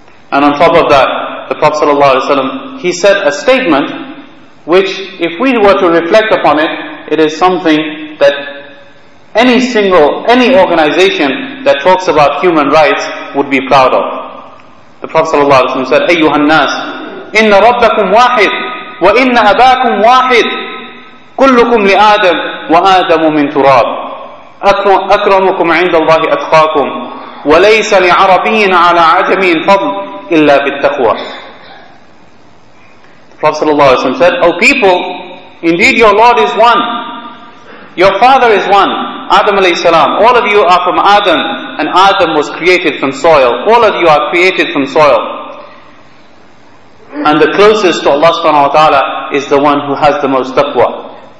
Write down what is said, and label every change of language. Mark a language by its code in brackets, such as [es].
[en] And on top of that, the Prophet ﷺ, he said a statement which, if we were to reflect upon it, it is something that any organization that talks about human rights would be proud of. The Prophet ﷺ said, [ar] أيها الناس إن ربكم واحد وإن أباكم واحد كلكم لآدم وآدم من تراب أكرمكم عند الله أتقاكم وليس لعربي على عجمي فضل إلا بالتقوى. [en] The Prophet ﷺ said, O people, indeed your Lord is one, your father is one, Adam alayhi salam, all of you are from Adam, and Adam was created from soil. All of you are created from soil. And the closest to Allah subhanahu wa ta'ala is the one who has the most taqwa.